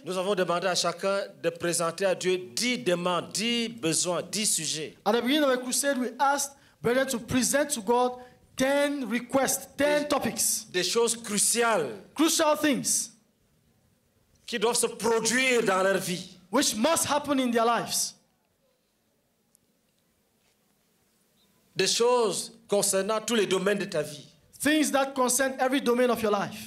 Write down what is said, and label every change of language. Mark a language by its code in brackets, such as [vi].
[fr] Nous avons demandé à chacun de présenter à Dieu 10 demandes, 10 besoins, 10 sujets. [en] At the beginning of the crusade, we asked brethren to present to God 10 requests, 10 topics. [fr] Des choses cruciales. [en] Crucial things. [fr] Qui doivent se produire dans leur vie. [en] Which must happen in their lives. [fr] Des choses concernant tous les domaines de ta vie. [en] Things that concern every domain of your life.